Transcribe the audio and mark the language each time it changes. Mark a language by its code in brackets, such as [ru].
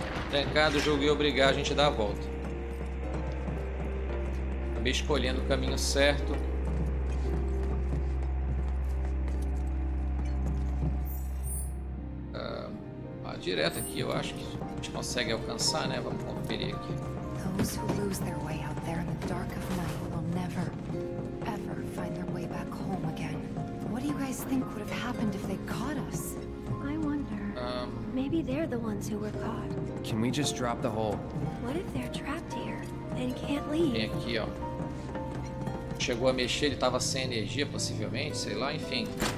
[pt] trancado, joguei obrigar a gente a dar a volta. Acabei escolhendo o caminho certo. Ah, direto aqui, eu acho que a gente consegue alcançar, né? Vamos conferir aqui. [en] Those who lose their way out there in the dark of night will never, ever find their way back home again. What do you guys think would have happened if they caught us? I wonder. Maybe they're the ones who were caught. Can we just drop the hole? What if they're trapped here and can't leave? [pt] Vem aqui, ó. Chegou a mexer, ele tava sem energia, possivelmente, sei lá, enfim.